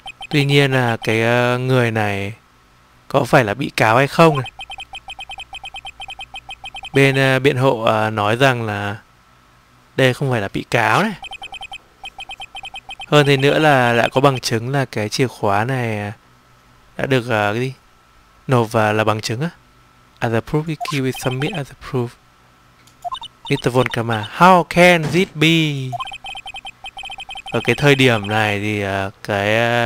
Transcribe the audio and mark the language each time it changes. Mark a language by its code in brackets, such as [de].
[vi] Tuy nhiên là cái người này có phải là bị cáo hay không này? Bên biện hộ nói rằng là đây không phải là bị cáo này. Hơn thế nữa là đã có bằng chứng là cái chìa khóa này đã được cái gì? Nộp và là bằng chứng á. [en] As a proof, the key we submit as a proof. Mr. Volkama, how can this be? [vi] Ở cái thời điểm này thì cái